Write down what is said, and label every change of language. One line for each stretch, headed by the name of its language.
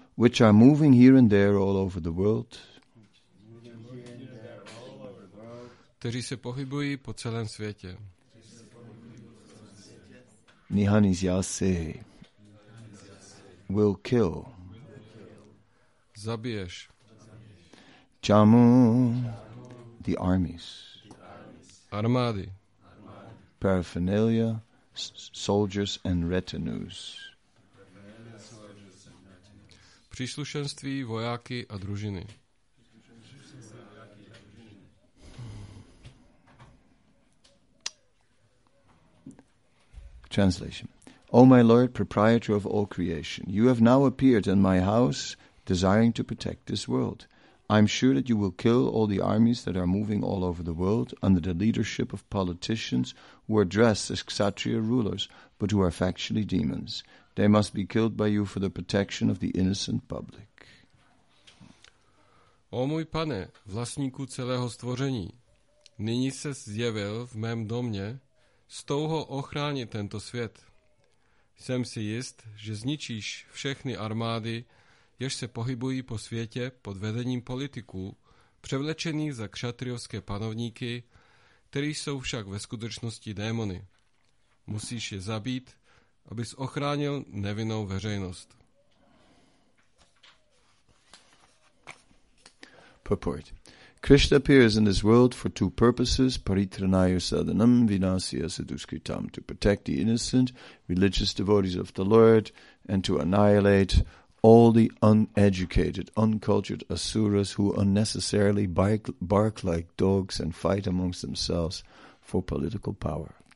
English: Which are moving here and there all over the world.
Czech: Kteří se pohybují po celém světě.
English: Nihanizyase will kill.
Czech: Zabiješ.
English: Chamu the armies.
Czech: Armády.
English: Paraphernalia, soldiers and retinues.
Czech: Příslušenství, vojáky a družiny.
English: Translation. O my Lord, proprietor of all creation, you have now appeared in my house, desiring to protect this world. I am sure that you will kill all the armies that are moving all over the world under the leadership of politicians who are dressed as Kshatriya rulers, but who are factually demons. They must be killed by you for the protection of the innocent public.
Czech: O můj pane, vlastníku celého stvoření, nyní se zjevil v mém domě, s touho ochránit tento svět. Jsem si jist, že zničíš všechny armády, jež se pohybují po světě pod vedením politiků, převlečených za kšatriovské panovníky, který jsou však ve skutečnosti démony. Musíš je zabít, abys ochránil nevinnou veřejnost.
English: Purport. Krishna appears in this world for two purposes,
Sanskrit: paritranaya sadhanam vinasya saduskritam,
English: to protect the innocent religious devotees of the Lord and to annihilate all the uneducated, uncultured asuras who unnecessarily bark like dogs and fight amongst themselves for political power.